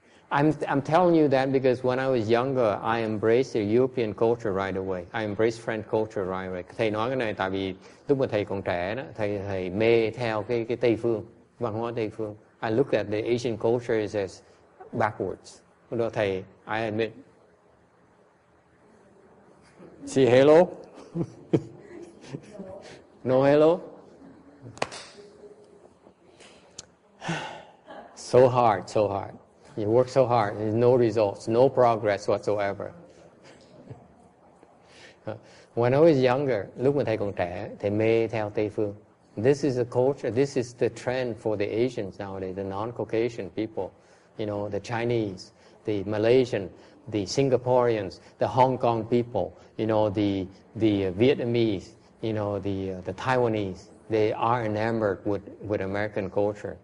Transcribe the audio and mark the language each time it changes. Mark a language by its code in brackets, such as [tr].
[en] I'm telling you that because when I was younger, I embraced the European culture right away. I embraced French culture right away. [vi] Thầy nói cái này tại vì lúc mà thầy còn trẻ đó, thầy mê theo cái Tây phương, văn hóa Tây phương. [en] I look at the Asian culture as backwards. [vi] Lúc đó thầy, [en] I admit. See hello? No hello? So hard. You work so hard, there's no results, no progress whatsoever. When I was younger, [vi] lúc mà thầy còn trẻ, thầy mê theo Tây phương. [en] This is the culture, this is the trend for the Asians nowadays, the non-Caucasian people, you know, the Chinese, the Malaysian, the Singaporeans, the Hong Kong people, you know, the Vietnamese, you know, the Taiwanese, they are enamored with American culture.